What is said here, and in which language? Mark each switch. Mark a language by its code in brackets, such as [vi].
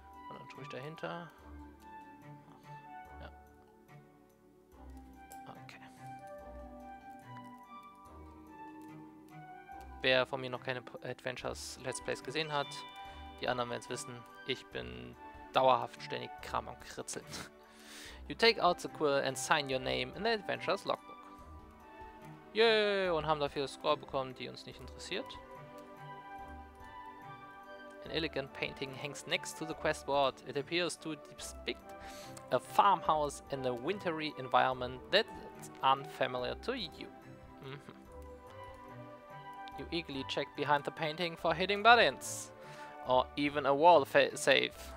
[de] Und dann tue ich dahinter. Ja. Okay. Wer von mir noch keine Adventures Let's Plays gesehen hat, die anderen werden es wissen, ich bin dauerhaft ständig Kram am Kritzeln. [en] You take out the quill and sign your name in the Adventurer's Logbook. [de] Yay, und haben dafür Score bekommen, die uns nicht interessiert. [en] An elegant painting hangs next to the quest board. It appears to depict a farmhouse in a wintry environment that's unfamiliar to you. Mm-hmm. You eagerly check behind the painting for hidden buttons or even a wall safe.